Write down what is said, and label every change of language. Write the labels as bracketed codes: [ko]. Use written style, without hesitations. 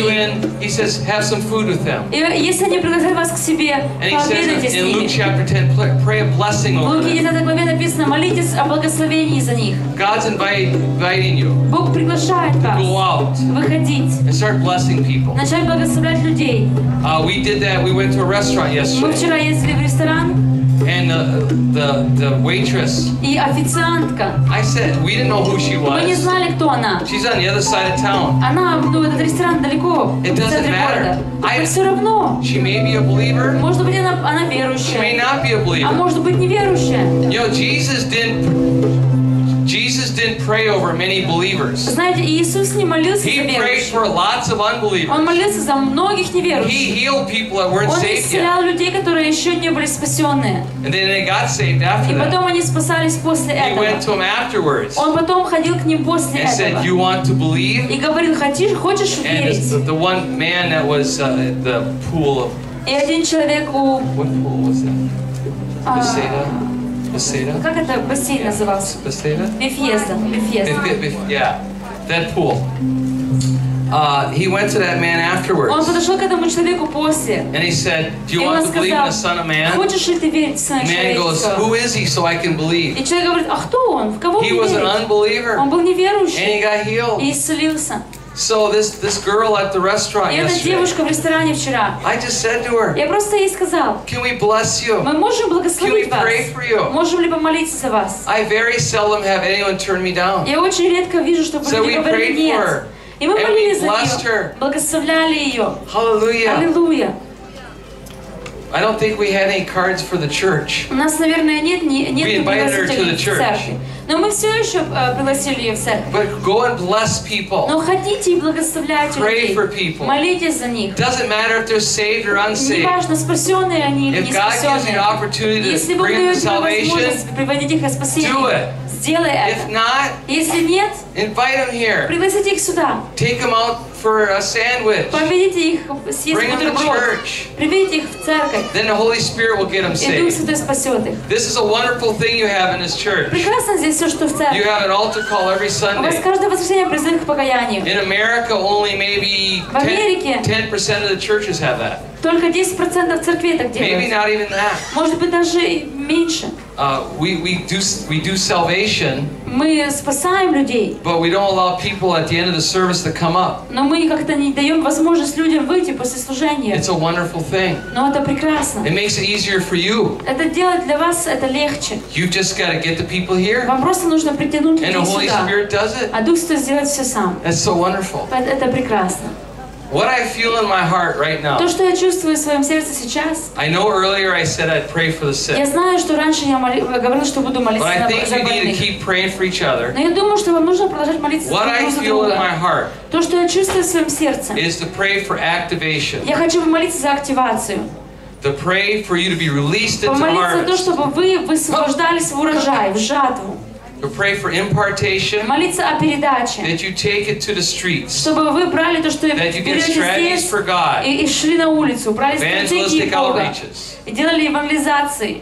[en] And they invite you in. He says, have some food with them. [ru] И если они приглашают вас к себе, пообедайте с ними. [en] In Luke chapter 10, pray a blessing over them. [ru] В Луки 10 главе написано, молитесь о благословении за них. [en] God's inviting you. [ru] Бог приглашает вас. [en] To go out. [ru] Выходить. [en] And start blessing people. [ru] Начать благословлять людей. [en] We did that. We went to a restaurant yesterday. [ru] Мы вчера ездили в ресторан. [en] And the waitress. [uk] І офіціантка. [en] I said we didn't know who she was. [uk] Ми не знали, хто вона. [en] She's on the other side of town. [ru] Вона, ну, этот ресторан далеко. [en] It doesn't matter. [uk] Але все одно. [en] She may be a believer. [uk] Можливо, вона віруюча. [en] She may not be a believer. [uk] А може бути не віруюча. [en] Yo, Jesus didn't pray over many believers. [uk] Знаєте, Ісус не молився за віруючих. [en] He prayed for lots of unbelievers. [uk] Він молився за багатьох невіруючих. [en] He healed people that weren't saved yet. [uk] Він зцілив людей, які ще не були спасені. [en] And then they got saved after that. [uk] І потім вони спасались після цього. [en] He went to them afterwards. [uk] Він потім ходив к ним після цього. [en] And said, "You want to believe?" [uk] І говорив: "Хочеш, хочеш вірити?" [en] And the one man that was at the pool of. [uk] І один чоловік у. [en] What pool was that? Bethesda. Bethesda? [ru] Как это бассейн назывался? [en] Bethesda? Bethesda. Yeah, that pool. He went to that man afterwards. [ru] Он подошел к этому человеку после. [en] And he said, "Do you want to believe in the Son of Man?" [ru] Хочешь ли ты верить в Сына Человека? [en] Man goes, "Who is he so I can believe?" [ru] И человек говорит, а кто он? В кого верить? [en] He was an unbeliever. [ru] Он был неверующий. [en] And he got healed. [ru] И исцелился. [en] So this girl at the restaurant yesterday. [ru] Я девушка в ресторане вчера. [en] I just said to her. [ru] Я просто ей сказав. [en] Can we bless you? [uk] Ми можемо благословити вас. [en] Can we pray for you? [uk] Можемо ли помолитися за вас? [en] I very seldom have anyone turn me down. [uk] Я дуже рідко бачу, щоб люди говорили ні. [en] So we prayed for her. [uk] І ми молились за неї. Благословляли її. [en] Hallelujah. Hallelujah. I don't think we had any cards for the church. [ru] У нас, наверное, нет ні нет [uk] приглашення до церкви. [ru] Но мы все еще пригласили ее в церковь. [en] But go and bless people. [ru] Но ходите и благословляйте людей. [en] Pray for people. [ru] Молитесь за них. [en] Doesn't matter if they're saved or unsaved. [ru] Не важно, спасенные они или не спасенные. [en] If God gives you an opportunity to bring them salvation, [ru] приводите их к спасению. [en] Do it. [ru] Сделай это. [en] If not, [ru] если нет, [en] invite them here. [ru] Пригласите их сюда. [en] Take them out for a sandwich. [ru] Поведите их съесть [en] бутерброд. Bring them to church. [ru] Приведите их в церковь. [en] Then the Holy Spirit will get them saved. [ru] И Дух Святой спасет их. [en] This is a wonderful thing you have in this church. [ru] Прекрасно здесь все, что в церкви. [en] You have an altar call every Sunday. [ru] У вас каждое воскресенье призыв к покаянию. [en] In America, only maybe 10% of the churches have that. [ru] Только 10% церквей так делают. [en] Maybe not even that. [ru] Может быть даже меньше. [en] We do salvation. [ru] Мы спасаем людей. [en] But we don't allow people at the end of the service to come up. [ru] Но мы как-то не даём возможность людям выйти после служения. [en] It's a wonderful thing. [ru] Но это прекрасно. [en] It makes it easier for you. [ru] Это делает для вас это легче. [en] You just got to get the people here. [ru] Вам просто нужно притянуть людей сюда. [en] And the Holy Spirit does it. [ru] А Дух Святой сделает всё сам. [en] It's so wonderful. [ru] Это прекрасно. [en] What I feel in my heart right now. [ru] То, что я чувствую в своём сердце сейчас. [en] I know earlier I said I'd pray for the sick. [ru] Я знаю, что раньше я говорила, что буду молиться за больных. [en] But I think you need to keep praying for each other. [ru] Но я думаю, что вам нужно продолжать молиться за друг друга. [en] What I feel in my heart. [ru] То, что я чувствую в своём сердце. [en] Is to pray for activation. [ru] Я хочу помолиться за активацию. [en] To pray for you to be released into harvest. [ru] Помолиться за то, чтобы вы высвобождались в урожай, в жатву. [en] To pray for impartation. [ru] Молиться о передаче. [en] That you take it to the streets. [ru] Чтобы вы брали то, что [en] that you get strategies for God. [ru] И шли на улицу, брали [en] evangelistic outreaches. [ru] И делали евангелизации.